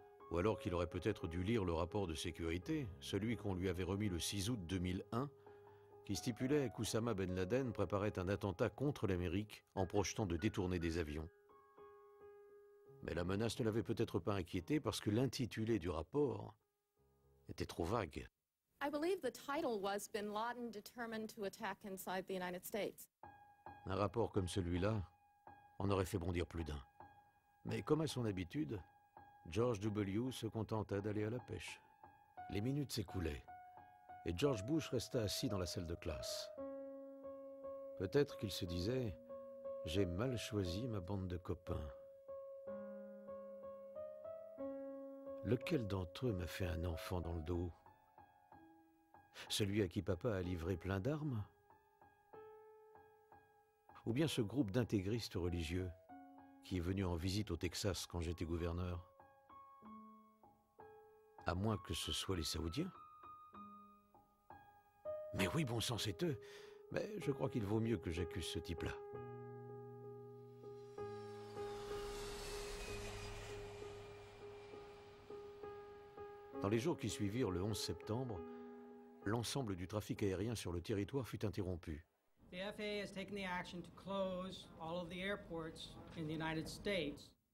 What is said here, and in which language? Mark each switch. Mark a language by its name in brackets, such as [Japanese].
[French] Ou alors qu'il aurait peut-être dû lire le rapport de sécurité, celui qu'on lui avait remis le 6 août 2001, qui stipulait qu'Oussama Ben Laden préparait un attentat contre l'Amérique en projetant de détourner des avions. Mais la menace ne l'avait peut-être pas inquiété parce que l'intitulé du rapport était trop vague. [English] I believe the title was Bin Laden determined to attack inside the United States. [French] Un rapport comme celui-là en aurait fait bondir plus d'un. Mais comme à son habitude, George W. se contenta d'aller à la pêche. Les minutes s'écoulaient et George Bush resta assis dans la salle de classe. Peut-être qu'il se disait « J'ai mal choisi ma bande de copains ». Lequel d'entre eux m'a fait un enfant dans le dos? Celui à qui papa a livré plein d'armes? Ou bien ce groupe d'intégristes religieux qui est venu en visite au Texas quand j'étais gouverneur? À moins que ce soit les Saoudiens? Mais oui, bon sang, c'est eux. Mais je crois qu'il vaut mieux que j'accuse ce type-là. Dans les jours qui suivirent le 11 septembre, l'ensemble du trafic aérien sur le territoire fut interrompu. [English] The FAA has taken the action to close all of the airports in the United States.